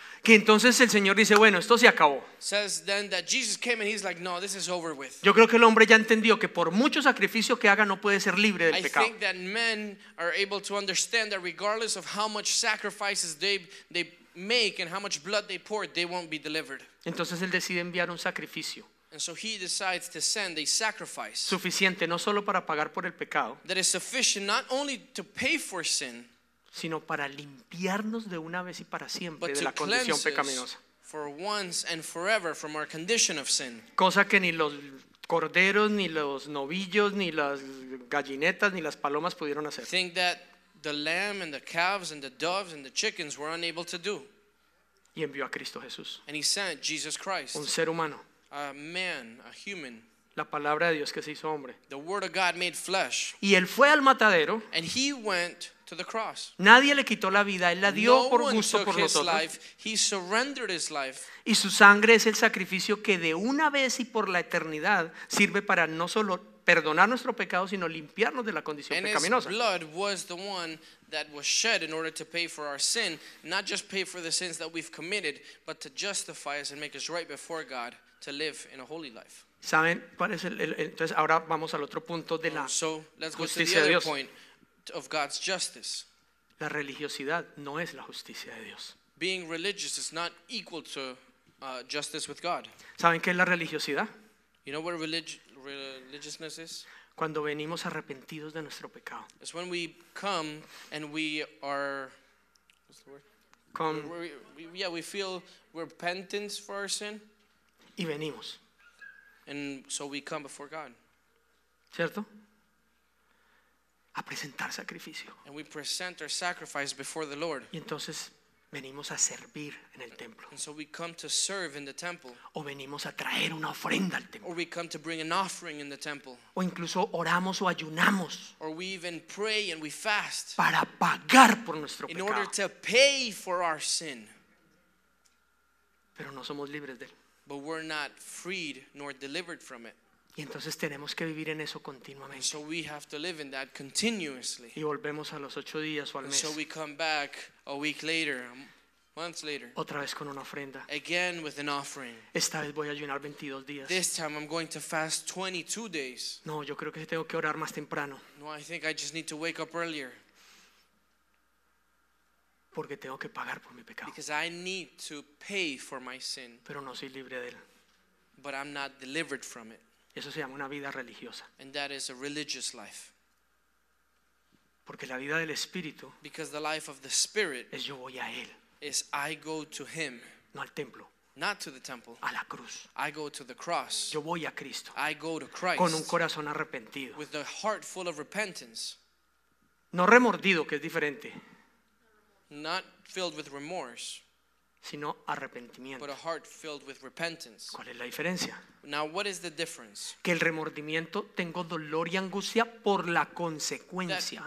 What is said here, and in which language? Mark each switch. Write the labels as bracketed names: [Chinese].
[Spanish] Que entonces el Señor dice, bueno, esto se acabó. [English] Says then that Jesus came and he's like, no, this is over with. [Spanish] Yo creo que el hombre ya entendió que por mucho sacrificio que haga no puede ser libre del pecado. [English] I think that men are able to understand that regardless of how much sacrifices they make and how much blood they pour, they won't be delivered. [Spanish] Entonces él decide enviar un sacrificio. [English] And so he decides to send a sacrifice. [Spanish] Suficiente no solo para pagar por el pecado. [English] That is sufficient not only to pay for sin. [Spanish] sino para limpiarnos de una vez y para siempre de la condición pecaminosa. [English] For once and forever from our condition of sin. [Spanish] Cosa que ni los corderos, ni los novillos, ni las gallinetas, ni las palomas pudieron hacer. [English] Think that the lamb and the calves and the doves and the chickens were unable to do. [Spanish] Y envió a Cristo Jesús. [English] And he sent Jesus Christ. [Spanish] Un ser humano. [English] A man, a human. [Spanish] La palabra de Dios que se hizo hombre. [English] The word of God made flesh. [Spanish] Y él fue al matadero. [English] And he went to the cross. [Spanish] Nadie le quitó la vida, él la dio no por gusto por nosotros. [English] Life. He surrendered his life. [Spanish] Y su sangre es el sacrificio que de una vez y por la eternidad sirve para no solo perdonar nuestro pecado, sino limpiarnos de la condición [English] and [Spanish] pecaminosa. [English] His blood was the one that was shed in order to pay for our sin, not just pay for the sins that we've committed, but to justify us and make us right before God to live in a holy life. [Spanish] ¿Saben cuál es el entonces ahora vamos al otro punto de la [English] so, let's go justicia to the other point of God's justice. [Spanish] La religiosidad no es la justicia de Dios. [English] Being religious is not equal to justice with God. [Spanish] ¿Saben qué es la religiosidad? [English] You know what religiousness is? [Spanish] Cuando venimos arrepentidos de nuestro pecado. [English] It's when we come and we are, what's the word? Come. We feel repentance for our sin. [Spanish] Y venimos. [English] And so we come before God. [Spanish] ¿Cierto? A presentar sacrificio. [English] And we present our sacrifice before the Lord. [Spanish] Y entonces venimos a servir en el templo. [English] And so we come to serve in the temple. [Spanish] O venimos a traer una ofrenda al templo. [English] Or we come to bring an offering in the temple. [Spanish] O incluso oramos o ayunamos. [English] Or we even pray and we fast. [Spanish] Para pagar por nuestro pecado. [English] In order to pay for our sin. [Spanish] Pero no somos libres de él. [English] But we're not freed nor delivered from it. [Spanish] Y entonces tenemos que vivir en eso continuamente. [English] So we have to live in that continuously. [Spanish] Y volvemos a los 8 días o al mes. [English] So we come back a week later, months later. [Spanish] Otra vez con una ofrenda. [English] Again with an offering. [Spanish] Esta vez voy a ayunar 22 días. [English] This time I'm going to fast 22 days. [Spanish] No, yo creo que tengo que orar más temprano. [English] No, I think I just need to wake up earlier. [Spanish] Porque tengo que pagar por mi pecado. [English] Because I need to pay for my sin. [Spanish] Pero no soy libre de él. [English] But I'm not delivered from it. [Spanish] Eso se llama una vida religiosa. [English] And that is a religious life. [Spanish] Porque la vida del Espíritu. [English] Because the life of the Spirit. [Spanish] Es yo voy a él. [English] Is I go to him. [Spanish] No al templo. [English] Not to the temple. [Spanish] A la cruz. [English] I go to the cross. [Spanish] Yo voy a Cristo. [English] I go to Christ. [Spanish] Con un corazón arrepentido. [English] With a heart full of repentance. [Spanish] No remordido, que es diferente. [English] Not filled with remorse. [Spanish] Sino arrepentimiento. [English] But a heart filled with repentance. [Spanish] ¿Cuál es la diferencia? [English] Now, what is the difference? [Spanish] Que el remordimiento tengo dolor y angustia por la consecuencia.